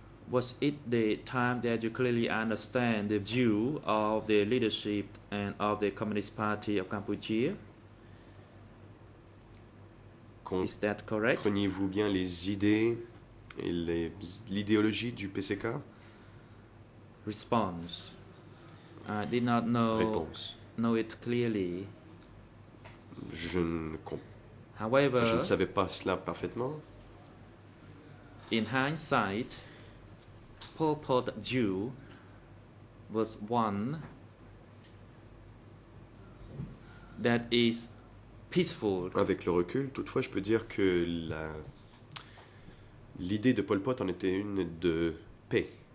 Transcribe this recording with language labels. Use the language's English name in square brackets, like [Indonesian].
[English] was it the time that you clearly understand the view of the leadership and of the Communist Party of Cambodia? Is that correct? [French] Preniez-vous bien les idées et l'idéologie du PCK? [English] Response. I did not know. [French] Réponse. [English] Know it clearly. [French] Je ne savais pas cela parfaitement. [English] In hindsight, Pol Pot Dieu was one that is peaceful. [French] Avec le recul, toutefois, je peux dire que l'idée de Pol Pot en était une de paix.